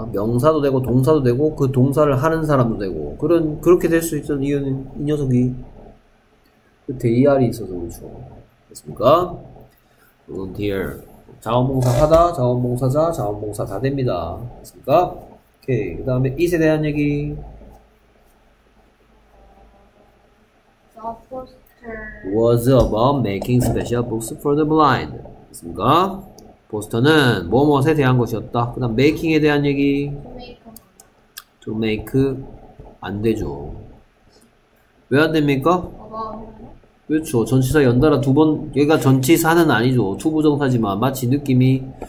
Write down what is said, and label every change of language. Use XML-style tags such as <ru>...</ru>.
<ko>명사도 되고 동사도 되고 그 동사를 하는 사람도 되고 그런 그렇게 될 수 있던 이유는 이 녀석이 그 DR이 있어서 그렇죠. 됐습니까? Volunteer 자원봉사하다, 자원봉사자, 자원봉사 다 됩니다. 됐습니까? 오케이 그 다음에 it에 대한 얘기</ko> <en>The poster was about making special books for the blind</en> <ko>됐습니까? 포스터는 무엇에 대한 것이었다. 그 다음 메이킹에 대한 얘기</ko> <en>To make To</en> <ko>make 안 되죠. 왜 안 됩니까?</ko> <en>About.</en> <ko>그렇죠. 전치사 연달아 두 번 얘가 전치사는 아니죠. 투부정사지만 마치 느낌이</ko>